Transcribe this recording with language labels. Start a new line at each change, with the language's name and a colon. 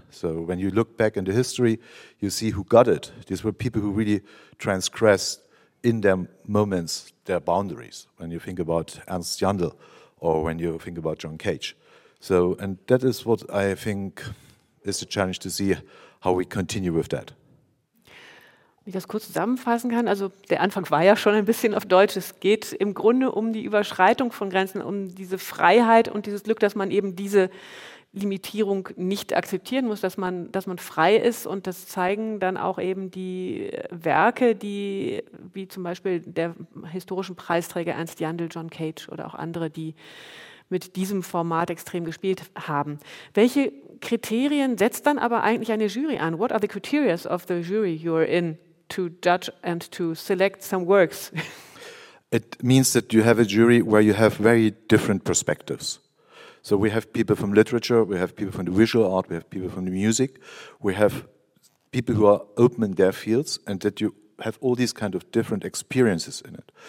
English: So when you look back in the history, you see who got it. These were people who really transgressed in their moments their boundaries. When you think about Ernst Jandl, or when you think about John Cage. So, and that is what I think is the challenge to see how we continue with that.
German: Wenn ich das kurz zusammenfassen kann, also der Anfang war ja schon ein bisschen auf Deutsch. Es geht im Grunde um die Überschreitung von Grenzen, um diese Freiheit und dieses Glück, dass man eben diese Limitierung nicht akzeptieren muss, dass man frei ist, und das zeigen dann auch eben die Werke, die wie zum Beispiel der historischen Preisträger Ernst Jandl, John Cage oder auch andere, die mit diesem Format extrem gespielt haben. Welche Kriterien setzt dann aber eigentlich eine Jury an?
English: What are the criteria of the jury you're in to judge and to select some works? It means that you have a jury where you have very different perspectives. So we have people from literature, we have people from the visual art, we have people from the music, we have people who are open in their fields, and that you have all these kind of different experiences in it.